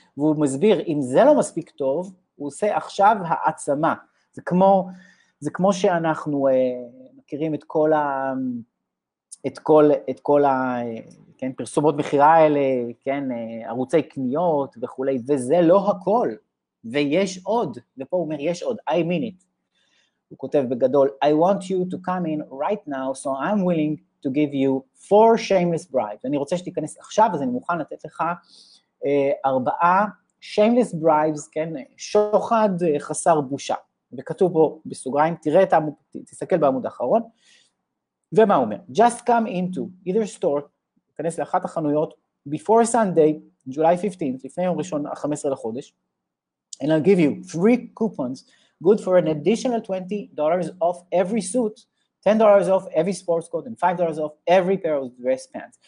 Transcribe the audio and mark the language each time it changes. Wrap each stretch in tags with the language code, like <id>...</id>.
<he>והוא מסביר, אם זה לא מספיק טוב, הוא עושה עכשיו העצמה. זה כמו שאנחנו מכירים את כל כן, פרסומות מחירה האלה, כן, ערוצי קניות וכולי, וזה לא הכל. ויש עוד. ופה הוא אומר, יש עוד.</he> <en>I mean it.</en> <he>הוא כותב בגדול,</he> <en>I want you to come in right now, so I'm willing to give you 4 shameless bribes.</en> <he>אני רוצה שתיכנס עכשיו, אז אני מוכן לתת לך 4</he> <en>shameless bribes,</en> <he>כן, שוחד חסר בושה. וכתוב פה בסוגריים, תראה את העמוד, תסתכל בעמוד האחרון. ומה הוא אומר?</he> <en>Just come into either store,</en> <he>תיכנס לאחת החנויות,</he> <en>before Sunday, July 15th,</en> <he>לפני יום ראשון, 15 לחודש,</he> <en>and I'll give you 3 coupons, good for an additional $20 off every suit, $10 off every sports coat, and $5 off every pair of dress pants.</en>